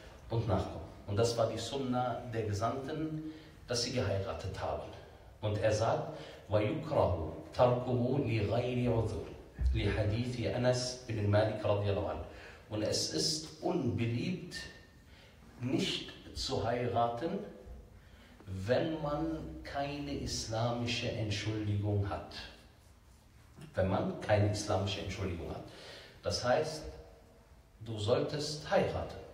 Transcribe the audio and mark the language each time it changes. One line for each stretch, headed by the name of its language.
German: Und das war die Sunna der Gesandten, dass sie geheiratet haben. Und er sagt,
Arabic: وَيُكْرَهُ تَرْكُهُ لِغَيْرِ عُذُرٍ لِحَدِيثِ أَنَسْ بِنِ الْمَالِكِ رَضِيَ اللَّهُ عَنْهُ.
German: Und es ist unbeliebt, nicht zu heiraten, wenn man keine islamische Entschuldigung hat. Das heißt, du solltest heiraten.